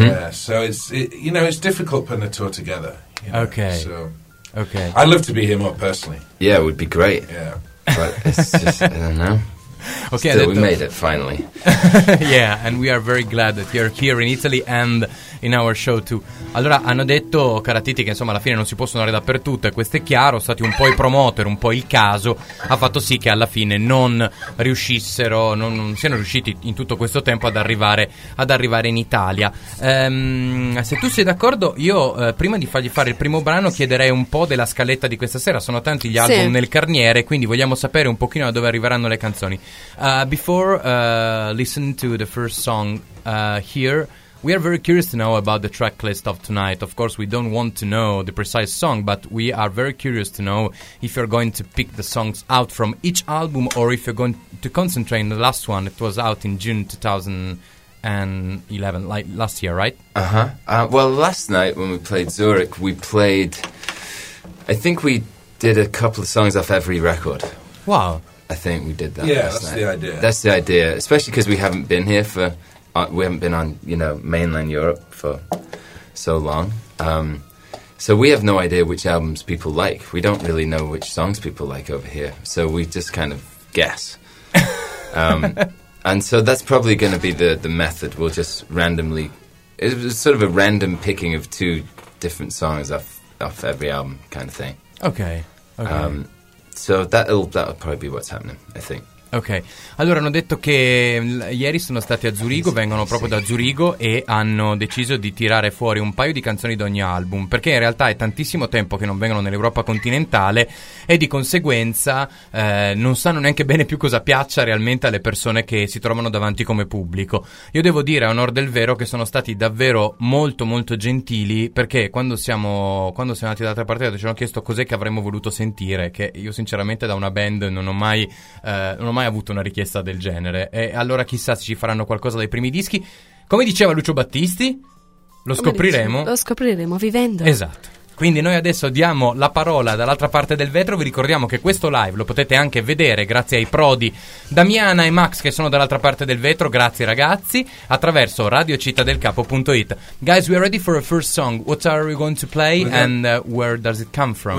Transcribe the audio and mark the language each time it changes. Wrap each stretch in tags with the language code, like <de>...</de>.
<en>Yeah, so it's difficult putting a tour together. You know? Okay. So, okay. I'd love to be here more personally. Yeah, it would be great. Yeah. But it's just, I don't know. Okay, still, we made it finally. Yeah, and we are very glad that you're here in Italy and in our show too.</en> <it>Allora, hanno detto Caratiti che insomma alla fine non si possono andare dappertutto, e questo è chiaro. Stati un po' i promoter, un po' il caso ha fatto sì che alla fine non siano riusciti in tutto questo tempo ad arrivare in Italia. Se tu sei d'accordo, io prima di fargli fare il primo brano chiederei un po' della scaletta di questa sera. Sono tanti gli album nel carniere, quindi vogliamo sapere un pochino da dove arriveranno le canzoni.</it> <en>Before listening to the first song here, we are very curious to know about the track list of tonight. Of course, we don't want to know the precise song, but we are very curious to know if you're going to pick the songs out from each album or if you're going to concentrate on the last one. It was out in June 2011, like last year, right? Uh-huh. Well, last night when we played Zurich, we played... I think we did a couple of songs off every record. Wow. I think we did that. Yeah, last that's night. The idea. That's the idea, especially because we haven't been here for, we haven't been on, you know, mainland Europe for so long. So we have no idea which albums people like. We don't really know which songs people like over here. So we just kind of guess. and so that's probably going to be the method. We'll just randomly, it was sort of a random picking of two different songs off every album kind of thing. Okay. Okay. So that'll probably be what's happening, I think.</en> <it>Ok, allora hanno detto che ieri sono stati a Zurigo, vengono proprio da Zurigo, e hanno deciso di tirare fuori un paio di canzoni da ogni album, perché in realtà è tantissimo tempo che non vengono nell'Europa continentale e di conseguenza non sanno neanche bene più cosa piaccia realmente alle persone che si trovano davanti come pubblico. Io devo dire, a onor del vero, che sono stati davvero molto molto gentili, perché quando siamo andati dall'altra parte, ci hanno chiesto cos'è che avremmo voluto sentire, che io sinceramente da una band non ho mai avuto una richiesta del genere. E allora chissà se ci faranno qualcosa dai primi dischi. Come diceva Lucio Battisti, lo scopriremo vivendo. Esatto. Quindi noi adesso diamo la parola dall'altra parte del vetro. Vi ricordiamo che questo live lo potete anche vedere grazie ai prodi Damiana e Max, che sono dall'altra parte del vetro. Grazie ragazzi, attraverso radiocittadelcapo.it.</it> <en>Guys, we are ready for a first song. What are we going to play and where does it come from?</en>